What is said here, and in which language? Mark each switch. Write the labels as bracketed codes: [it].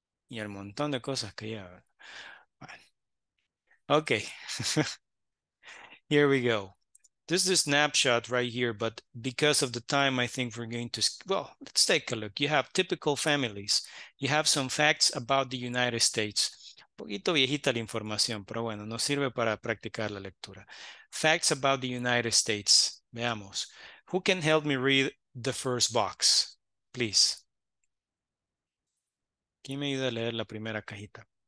[es] Y el montón de cosas que lleva. [en] Okay. Here we go. This is a snapshot right here, but because of the time, I think we're going to, well, let's take a look. You have typical families. You have some facts about the United States. [es] Un poquito viejita la información, pero bueno, nos sirve para practicar la lectura. [en] Facts about the United States. [es] Veamos. [en] Who can help me read the first box, please? [es] ¿Quién me ayuda a leer la primera cajita?